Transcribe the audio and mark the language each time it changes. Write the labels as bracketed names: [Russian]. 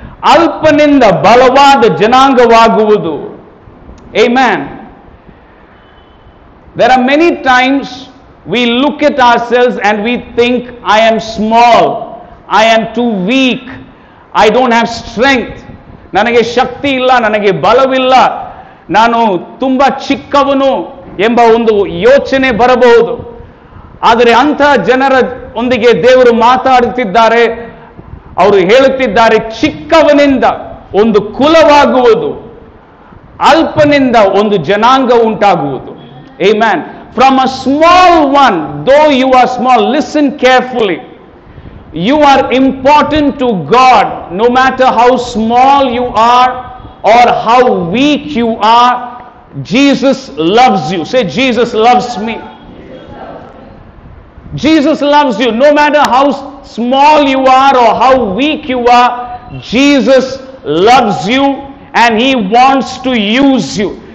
[Kannada] Alpaninda balavada janangavaguvudu. Amen. [English] There are many times we look at ourselves and we think, I am small, I am too weak, I don't have strength. [Kannada] Nanage shakti illa, nanage balavilla. ನಾನು ತುಂಬ ಚಿಕ್ಕವನು ಎಂಬ ಒಂದು ಯೋಚನೆ ಬರಬಹುದು. ಆದರೆ ಅಂಥ ಜನರ ಒಂದಿಗೆ ದೇವರು ಮಾತಾಡುತ್ತಿದ್ದಾರೆ. ಅವರು ಹೇಳುತ್ತಿದ್ದಾರೆ, ಚಿಕ್ಕವನಿಂದ ಒಂದು ಕುಲವಾಗುವುದು, ಅಲ್ಪನಿಂದ ಒಂದು ಜನಾಂಗ ಉಂಟಾಗುವುದು. Amen. [English] From a small one, though you are small, listen carefully, you are important to God. No matter how small you are or how weak you are, Jesus loves you. Say, Jesus loves me. Jesus loves you. No matter how small you are or how weak you are, Jesus loves you and he wants to use you.